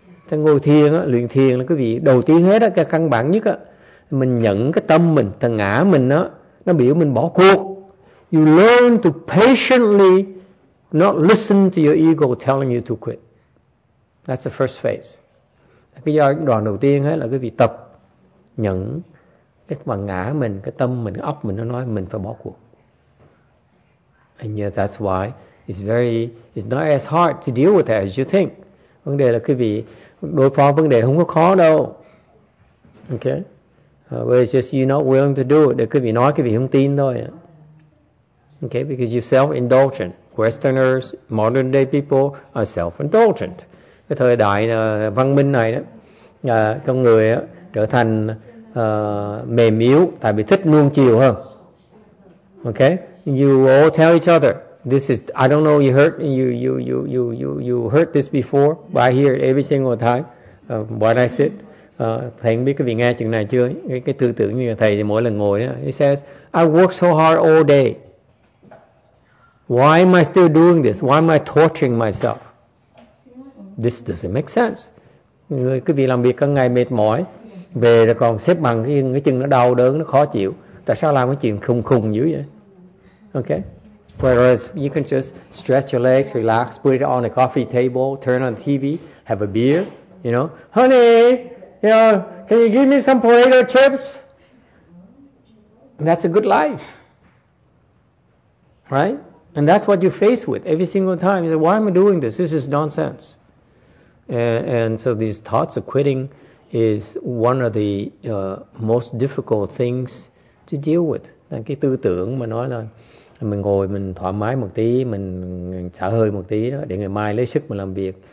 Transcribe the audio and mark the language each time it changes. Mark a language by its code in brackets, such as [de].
[vi] Thì ngồi thiền á, luyện thiền là quý vị đầu tiên hết á, cái căn bản nhất á, mình nhận cái tâm mình, cái ngã mình á. Nó biểu mình bỏ cuộc. [en] You learn to patiently not listen to your ego telling you to quit. That's the first phase. [vi] Cái đoạn đầu tiên ấy là cái việc tập nhận cái mà ngã mình, cái tâm mình, cái óc mình nó nói mình phải bỏ cuộc. [en] And yet that's why it's not as hard to deal with it as you think. [vi] Vấn đề là cái việc đối phó vấn đề không có khó đâu. [en] Okay? Well, it's just you're not willing to do it. [vi] Quý vị nói quý vị không tin thôi. [en] Okay, because you're self-indulgent. Westerners, modern day people are self-indulgent. [vi] Cái thời đại văn minh này đó, con người trở thành mềm yếu tại vì thích nuông chiều hơn. [en] Okay, you all tell each other, this is, I don't know, you heard this before, but I hear it every single time when I sit. [vi] Thầy không biết quý vị nghe chuyện này chưa, cái tư tưởng như thầy thì mỗi lần ngồi đó, [en] he says, I work so hard all day, why am I still doing this, why am I torturing myself, this doesn't make sense. [vi] Người quý vị làm việc cả ngày mệt mỏi, về rồi còn xếp bằng cái chân nó đau đớn, nó khó chịu, tại sao làm cái chuyện khùng khùng dữ vậy? [en] Okay, whereas you can just stretch your legs, relax, put it on a coffee table, turn on the TV, have a beer, you know, honey, you know, can you give me some potato chips? That's a good life, right? And that's what you face with every single time. You say, why am I doing this? This is nonsense. And so these thoughts of quitting is one of the most difficult things to deal with. [vi] Cái tư tưởng mà nói là mình ngồi mình thoải mái một tí, mình xả hơi một tí đó, để ngày mai lấy sức mà làm việc.